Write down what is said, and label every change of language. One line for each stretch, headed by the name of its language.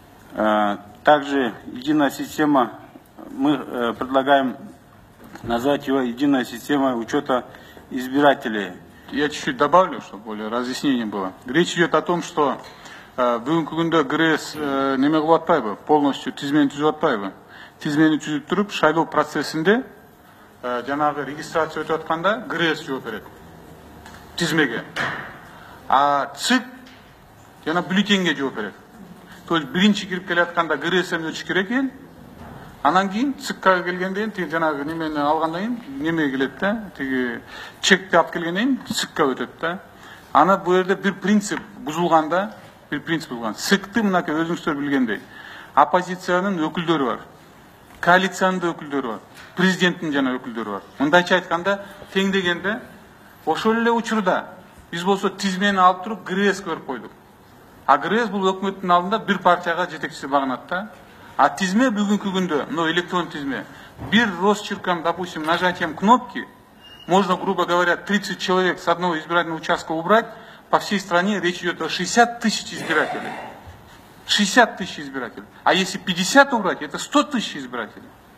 Russian: Также единая система, мы предлагаем назвать его единая система учета избирателей. Я чуть-чуть добавлю, чтобы более разъяснение было. Речь идет о том, что
Kyrgyz: бүгүнкү күндө ГРС неме кылып атпайбы, полностью тизмени түзүп атпайбы. Тизмени түзүп туруп, шайлоо процессинде жанагы регистрация өтүп атканда ГРС жооп берет тизмеге. А ЦИК жана бюллетенге жооп берет. То есть биринчи кирип келатканда ГРС эмне өтүш керек экен, анан кийин ЦИКка келгенден кийин жанагы немени алгандан кийин немеге келет да, тиги чекти алып келгенден кийин ЦИКка өтөт да. Аны бул жерде бир принцип бузулган. ЦИКты мынакей өзүңүздөр билгендей оппозициянын өкүлдөрү бар, коалициянын да өкүлдөрү бар, президенттин жана өкүлдөрү бар. Мындайча айтканда тең дегенде ошол эле учурда биз болсо тизмени алып туруп ГРСке берип койдук. А ГРС бул өкмөттүн алдында бир партияга жетекчиси багынат да. А тизме бүгүнкү күндө, мына электрон тизме,
Russian: бир росчерком, допустим, нажатием кнопки можно, грубо говоря, 30 человек с одного избирательного участка убрать. По всей стране речь идет о 60 тысяч избирателей. 60 тысяч избирателей. А если 50 убрать, это 100 тысяч избирателей.